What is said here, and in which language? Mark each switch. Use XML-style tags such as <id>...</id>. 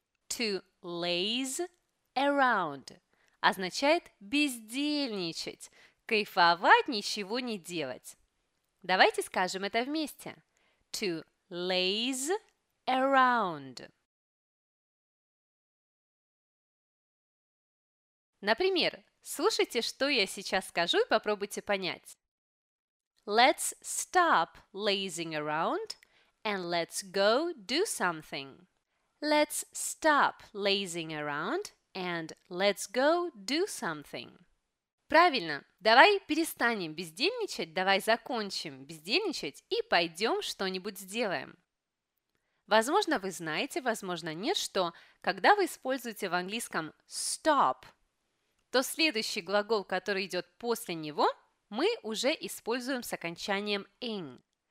<en>To laze around</en> <ru>означает бездельничать, кайфовать, ничего не делать. Давайте скажем это вместе.</ru> <en>To laze around.</en> <ru>Например, слушайте, что я сейчас скажу, и попробуйте понять.</ru> <en>Let's stop lazing around and let's go do something. Let's stop lazing around and let's go do something.</en> <ru>Правильно. Давай перестанем бездельничать, давай закончим бездельничать и пойдем что-нибудь сделаем. Возможно, вы знаете, возможно, нет, что когда вы используете в английском stop, то следующий глагол, который идет после него, мы уже используем с окончанием ing.</ru>